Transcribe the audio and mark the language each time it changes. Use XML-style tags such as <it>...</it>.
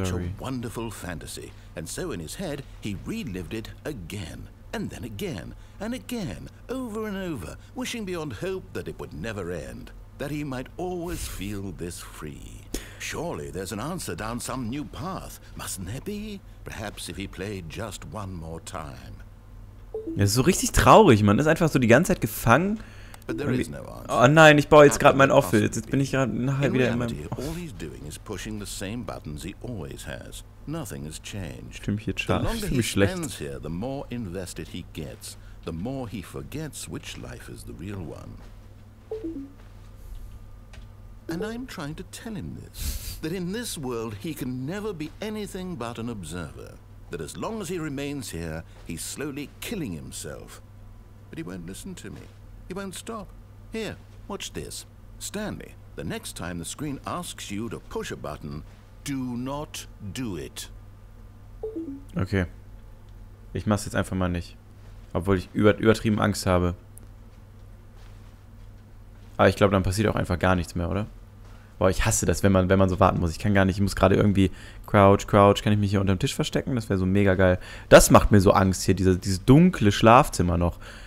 <en>It was such a wonderful fantasy. And so in his head, he relived it again. And then again. And again. Over and over. Wishing beyond hope that it would never end. That he might always feel this free. Surely there's an answer down some new path, mustn't there be? Perhaps if he played just one more time.</en> <de>Das ist so richtig traurig, man ist einfach so die ganze Zeit gefangen.</de> <en>But there is no answer.</en> <de>Oh nein, ich baue jetzt gerade mein Office. Jetzt bin ich gerade nachher wieder in meinem.</de> <en>All he's doing is pushing the same buttons he always has. Nothing has changed.</en> <de>Stimmt hier schon.</de> <en>The longer he spends here, the more invested he gets. The more he forgets which life is the real one. And I'm trying to tell him this, that in this world he can never be anything but an observer, that as long as he remains here, he's slowly killing himself. But he won't listen to me. He won't stop. Here, watch this. Stanley, the next time the screen asks you to push a button, do not do it. Okay.</en> <de>Ich mach's jetzt einfach mal nicht. Obwohl ich übertrieben Angst habe. Aber ich glaube, dann passiert auch einfach gar nichts mehr, oder? Boah, ich hasse das, wenn man so warten muss. Ich kann gar nicht, ich muss gerade irgendwie crouch. Kann ich mich hier unter dem Tisch verstecken? Das wäre so mega geil. Das macht mir so Angst hier, dieses dunkle Schlafzimmer noch.</de>